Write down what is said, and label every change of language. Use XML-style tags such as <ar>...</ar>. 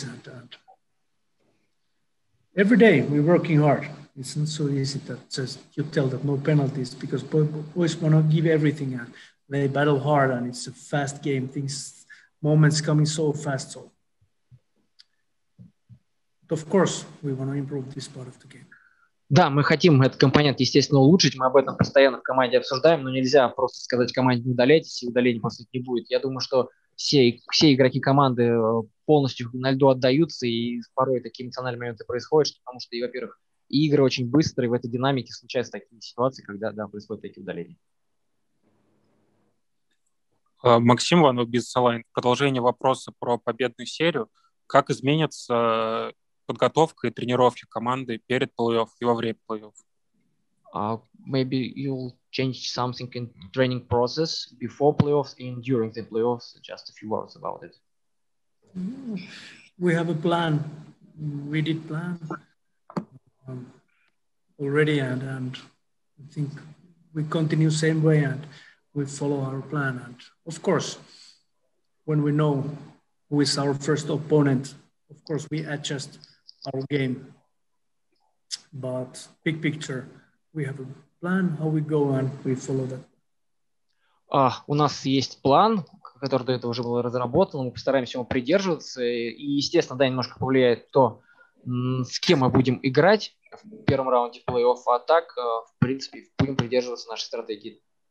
<en>And every day we're working hard. It's not so easy that just you tell that no penalties, because boys want to give everything, and they battle hard, and it's a fast game. Things, moments coming so fast, so. Of course, we want to improve this part of the game.</en> <ru>Да, мы хотим этот компонент, естественно, улучшить. Мы об этом постоянно в команде обсуждаем, но нельзя просто сказать команде не удаляйтесь, и удаления после этого не будет. Я думаю, что все игроки команды полностью на льду отдаются, и порой такие эмоциональные моменты происходят, потому что, во-первых, и игры очень быстрые, в этой динамике случаются такие ситуации, когда происходят такие удаления. Максим Иванов, Business Online. Продолжение вопроса про победную серию. Как изменится подготовка и тренировки команды перед плей-офф и во время плей-офф?</ru> <en>Maybe you'll change something in training process before playoffs and during the playoffs. Just a few words about it. We have a plan. We did plan already, and I think we continue same way and we follow our plan. And of course, when we know who is our first opponent, of course we adjust our game. But big picture, we have a plan how we go and we follow that.</en> <ru>У нас есть план, который до этого уже был разработан, мы постараемся его придерживаться, и, естественно, да, немножко повлияет то, с кем мы будем играть в первом раунде плей-офф, а так, в принципе, будем придерживаться нашей стратегии.</ru>